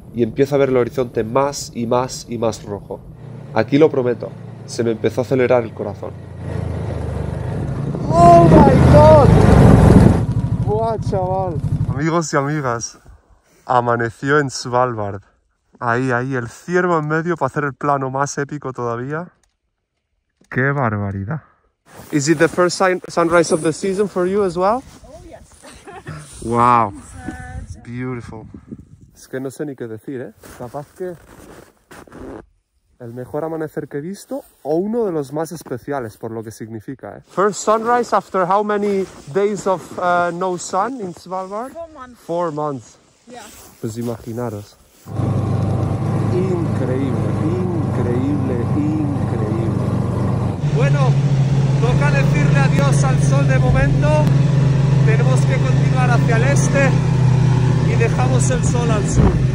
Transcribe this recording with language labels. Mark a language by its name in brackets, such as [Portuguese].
[Spanish] Y empiezo a ver el horizonte más y más y más rojo. Aquí lo prometo, se me empezó a acelerar el corazón. [English] ¡Oh, my God! [Spanish] ¡Buah, chaval! Amigos y amigas, amaneció en Svalbard. Ahí, ahí, el ciervo en medio para hacer el plano más épico todavía. ¡Qué barbaridad! [English] Is it the first sunrise of the season for you as well? Oh, yes. Wow. Beautiful. [Spanish] Es que no sé ni qué decir, ¿eh? Capaz que el mejor amanecer que he visto o uno de los más especiales por lo que significa, ¿eh? [English] First sunrise after how many days of no sun in Svalbard? 4 months. 4 months. Yeah. [Spanish] Pues imaginaros. Increíble, increíble, increíble. Bueno. Toca decirle adiós al sol de momento, tenemos que continuar hacia el este y dejamos el sol al sur.